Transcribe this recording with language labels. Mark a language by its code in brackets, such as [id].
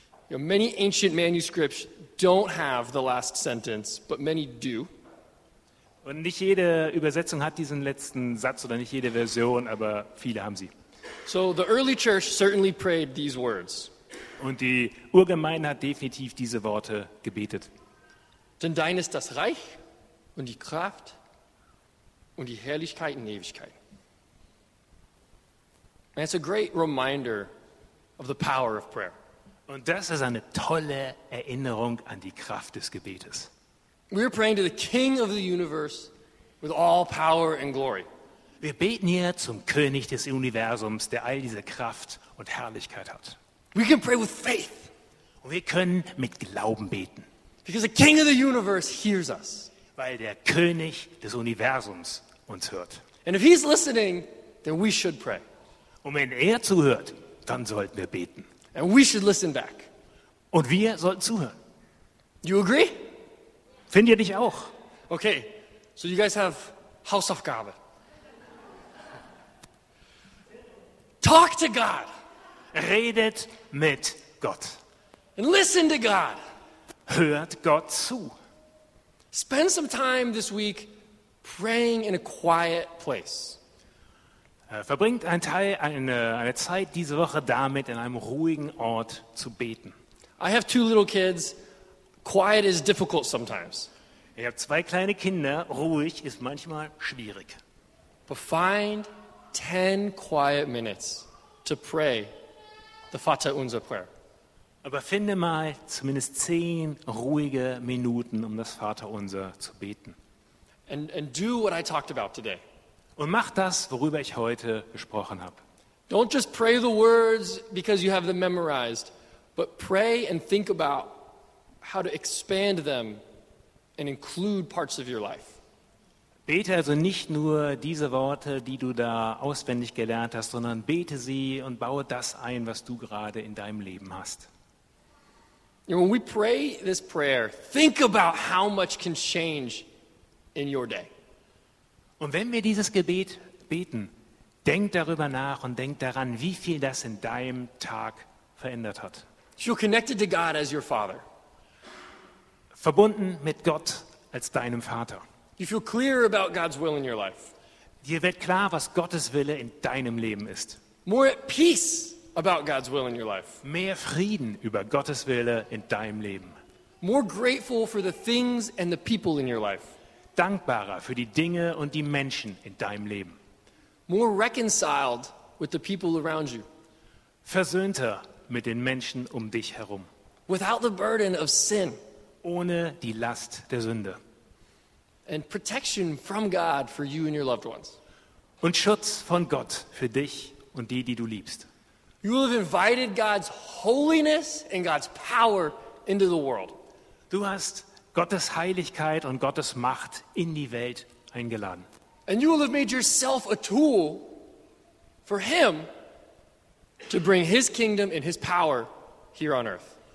[en] You know, many ancient manuscripts don't have the last sentence, but many do. [de] Und nicht jede Übersetzung hat diesen letzten Satz oder nicht jede Version, aber viele haben sie. [en] So the early church certainly prayed these words. [de] Und die Urgemeinde hat definitiv diese Worte gebetet. Denn dein ist das Reich und die Kraft und die Herrlichkeit in Ewigkeit. [en] And it's a great reminder of the power of prayer. [de] Und das ist eine tolle Erinnerung an die Kraft des Gebetes. [en] We are praying to the King of the universe with all power and glory. [de] Wir beten hier zum König des Universums, der all diese Kraft und Herrlichkeit hat. [en] We can pray with faith. [de] Und wir können mit Glauben beten. [en] Because the King of the universe hears us. [de] Weil der König des Universums uns hört. [en] And if he's listening, then we should pray. [de] Und wenn er zuhört, dann sollten wir beten. [en] And we should listen back. [de] Und wir sollten zuhören. [en] You agree? [de] Findet ihr dich auch? [en] Okay, so you guys have Hausaufgabe. Talk to God. [de] Redet mit Gott. [en] And listen to God. [de] Hört Gott zu. [en] Spend some time this week praying in a quiet place. [de] Verbringt einen Teil eine Zeit diese Woche damit, in einem ruhigen Ort zu beten. [en] I have two little kids. Quiet is difficult sometimes. [de] Ich habe zwei kleine Kinder. Ruhig ist manchmal schwierig. [en] But find 10 quiet minutes to pray the Vater unser prayer. [de] Aber finde mal zumindest 10 ruhige Minuten, um das Vaterunser zu beten. [en] And do what I talked about today. [de] Und mach das, worüber ich heute gesprochen habe. [en] Don't just pray the words because you have them memorized, but pray and think about how to expand them and include parts of your life. [de] Bete also nicht nur diese Worte, die du da auswendig gelernt hast, sondern bete sie und baue das ein, was du gerade in deinem Leben hast. [en] When we pray this prayer, think about how much can change in your day. [de] Und wenn wir dieses Gebet beten, denk darüber nach und denk daran, wie viel das in deinem Tag verändert hat. [en] You're connected to God as your father. [de] Verbunden mit Gott als deinem Vater. [en] You feel clear about God's will in your life. [de] Dir wird klar, was Gottes Wille in deinem Leben ist. [en] More at peace about God's will in your life. [de] Mehr Frieden über Gottes Wille in deinem Leben. [en] More grateful for the things and the people in your life. [de] Dankbarer für die Dinge und die Menschen in deinem Leben. [en] More reconciled with the people around you. [de] Versöhnter mit den Menschen um dich herum. [en] Without the burden of sin. [de] Ohne die Last der Sünde. [en] And protection from God for you and your loved ones. [de] Und Schutz von Gott für dich und die, die du liebst. [en] You have invited God's holiness and God's power into the world. [de] Du hast Gottes Heiligkeit und Gottes Macht in die Welt eingeladen. [en] And you will have made yourself a tool for him to bring his kingdom and his power here on earth.